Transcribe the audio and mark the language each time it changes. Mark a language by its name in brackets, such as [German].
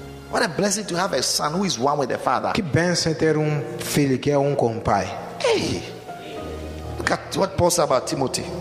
[English] What a blessing to have a son who is one with the Father. [Portuguese] Que bênção ter filho que é com o pai. [English] Hey, look at what Paul said about Timothy.